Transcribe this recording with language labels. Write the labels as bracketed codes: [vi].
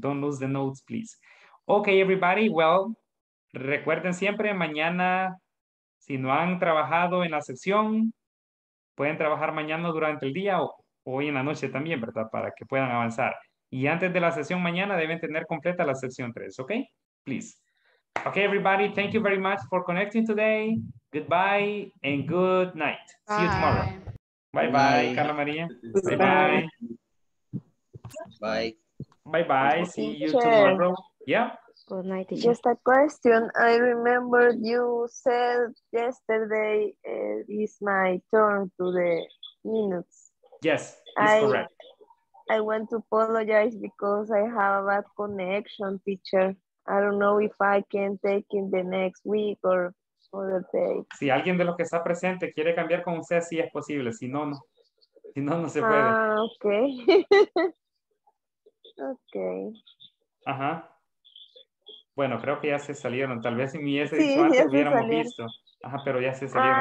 [en] Don't lose the notes, please. Okay, everybody, well, [es] recuerden siempre, mañana, si no han trabajado en la sección, pueden trabajar mañana durante el día o hoy en la noche también, ¿verdad? Para que puedan avanzar. Y antes de la sesión mañana deben tener completa la sección 3, ¿ok? [en] Please. Okay, everybody, thank you very much for connecting today. Goodbye and good night. Bye. See you tomorrow. Bye-bye, Carla María. Bye-bye. Bye. Bye-bye. See you tomorrow. Yeah. Good night. Just a question. I remember you said yesterday is my turn to the minutes. Yes, it's correct. I want to apologize because I have a bad connection, teacher. I don't know if I can take in the next week or other day. [es] Si alguien de los que está presente quiere cambiar con usted, sí es posible. Si no, no se puede. [en] Okay. Okay. [es] Ajá. Bueno, creo que ya se salieron. Tal vez si me hubiese dicho antes, hubiéramos visto. Ajá, pero ya se salieron.